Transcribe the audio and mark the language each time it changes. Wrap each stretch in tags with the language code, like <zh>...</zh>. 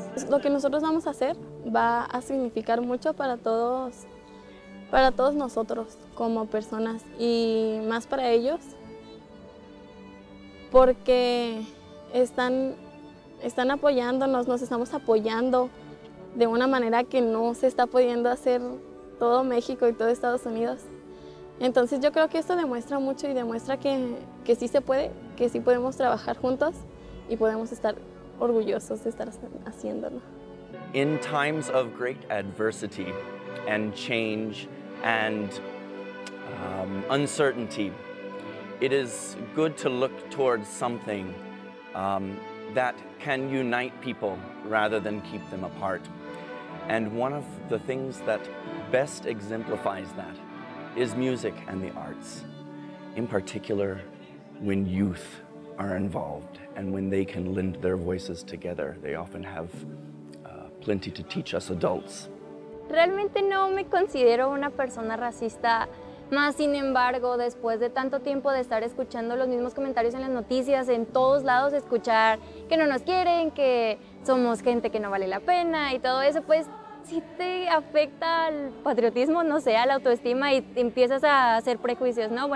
<es>Lo que nosotros vamos a hacer va a significar mucho para todos nosotros como personas y más para ellos, porque están apoyándonos, nos estamos apoyando de una manera que no se está pudiendo hacer todo México y todo Estados Unidos. Entonces yo creo que esto demuestra mucho y demuestra que sí se puede, que sí podemos trabajar juntos y podemos estar orgullosos de estar haciéndolo.</es> <en>In times of great adversity and change and uncertainty, it is good to look towards something that can unite people rather than keep them apart. And one of the things that best exemplifies that is music and the arts, in particular when youth are involved and when they can lend their voices together. They often have plenty to teach us adults.</en> <es>Realmente no me considero una persona racista, más sin embargo, después de tanto tiempo de estar escuchando los mismos comentarios en las noticias, en todos lados, escuchar que no nos quieren, que somos gente que no vale la pena y todo eso, pues sí te afecta al patriotismo, no sé, a la autoestima, y empiezas a hacer prejuicios, ¿no?</es>